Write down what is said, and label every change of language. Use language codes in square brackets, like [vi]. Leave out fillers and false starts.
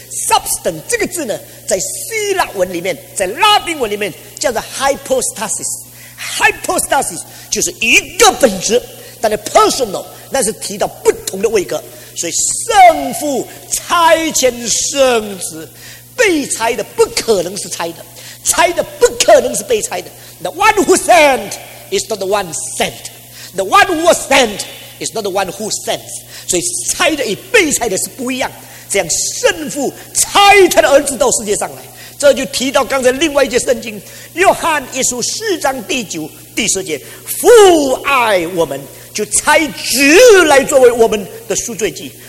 [zh] substance 这个字呢，在希腊文里面，在拉丁文里面叫做 hypostasis。 hypostasis 就是一个本质，但是 personal 那是提到不同的位格。所以圣父差遣圣子，被差的不可能是差的，差的不可能是被差的。 [en] The one who sent is not the one sent， The one who was sent is not the one who sends。 [zh] 所以差的与被差的是不一样。这样圣父差他的儿子到世界上来，这就提到刚才另外一节圣经，约翰一书四章第九第十节，父爱我们，就差子来作为我们的赎罪祭。